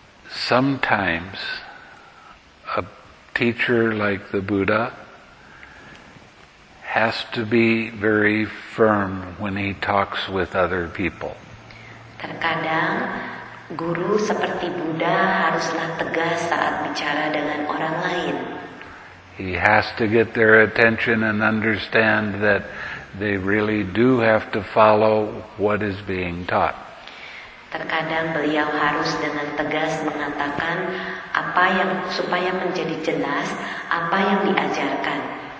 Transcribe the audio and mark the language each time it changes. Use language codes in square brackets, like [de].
[en] Sometimes a teacher like the Buddha has to be very firm when he talks with other people. [id] Terkadang guru seperti Buddha haruslah tegas saat bicara dengan orang lain. [en] He has to get their attention and understand that they really do have to follow what is being taught. [id] Terkadang beliau harus dengan tegas mengatakan apa yang supaya menjadi jelas apa yang diajarkan.